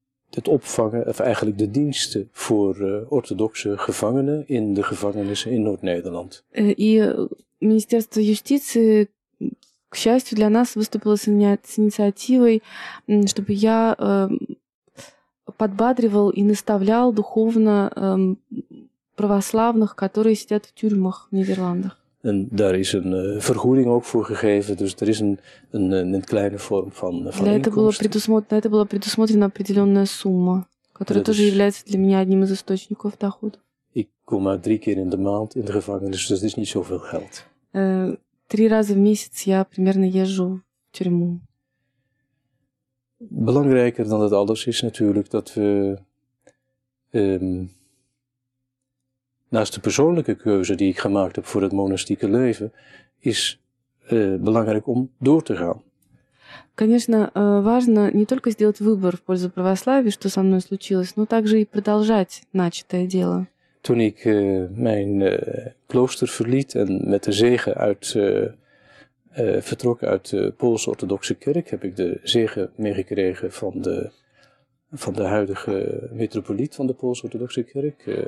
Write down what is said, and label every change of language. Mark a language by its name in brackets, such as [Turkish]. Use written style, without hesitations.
[Dutch] het opvangen, of eigenlijk de diensten voor orthodoxe gevangenen in de gevangenissen in Noord-Nederland. [Russian] И Министерство юстиции, к счастью для нас, выступило с инициативой, чтобы я подбадривал и наставлял духовно православных, которые сидят в тюрьмах в Нидерландах. [Dutch] En daar is een vergoeding ook voor gegeven, dus er is een kleine vorm van inkomsten. [Russian] Это была предусмотрена определенная сумма, которая тоже является для меня одним из источников дохода. [Dutch] Ik kom maar 3 keer in de maand in de gevangenis, dus dat is niet zoveel geld. [Russian] 3 раза в месяц я примерно езжу в тюрьму. [Dutch] Belangrijker dan dat alles is natuurlijk dat we naast de persoonlijke keuze die ik gemaakt heb voor het monastieke leven, is belangrijk om door te gaan. [Russian] Конечно, важно не только сделать выбор в пользу православия, что со мной случилось, но также и продолжать начатое дело. [Dutch] Toen ik mijn klooster verliet en met de zegen vertrok uit de Poolse Orthodoxe Kerk, heb ik de zegen meegekregen van de huidige metropoliet van de Poolse Orthodoxe Kerk.